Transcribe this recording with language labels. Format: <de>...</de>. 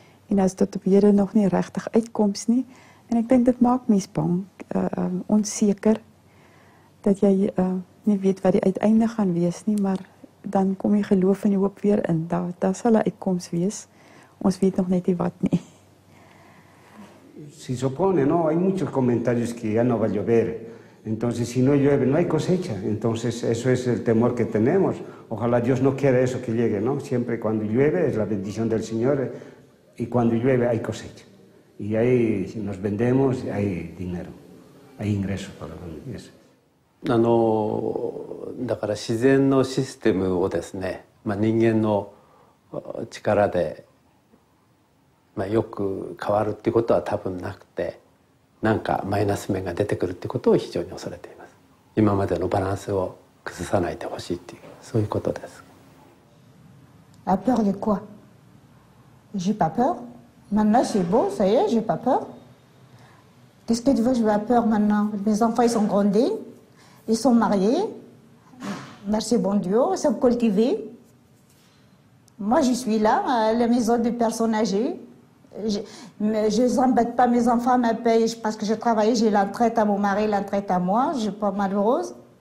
<af>En as dit op hede nog nie regtig uitkoms nie, en ek dink dit maak mense bang, onseker dat jy nie weet wat die uiteinde gaan wees nie, maar dan kom jy geloof en jy hoop weer in. Daar sal 'n uitkoms wees. Ons weet nog net nie wat nie.</af> <es>Si supone, no, hay muchos comentarios que ya no va a llover. Entonces, si no llueve, no hay cosecha. Entonces, eso es el temor que tenemos. Ojalá Dios no quiera eso que llegue, ¿no? Siempre cuando llueve es la bendición del Señor y cuando llueve hay cosecha. Y ahí si nos vendemos, hay dinero, hay ingresos para la familia.</es> <ja>何かマイナス面が出てくるってことを非常に恐れています。今までのバランスを崩さないでほしいっていう、そういうことです。</ja> <fr>La peur de quoi? J'ai pas peur. Maintenant c'est beau, ça y est, j'ai pas peur. Qu'est-ce que tu veux, j'ai pas peur maintenant? Mes enfants ils sont grandis. Ils sont mariés. Merci bon Dieu, ils sont cultivés. Moi, je suis là, à la maison des personnes âgées. Je n'embête pas mes enfants, mes payes, parce que je travaille, j'ai la retraite à mon mari, la retraite à moi, je suis pas malheureuse.</fr>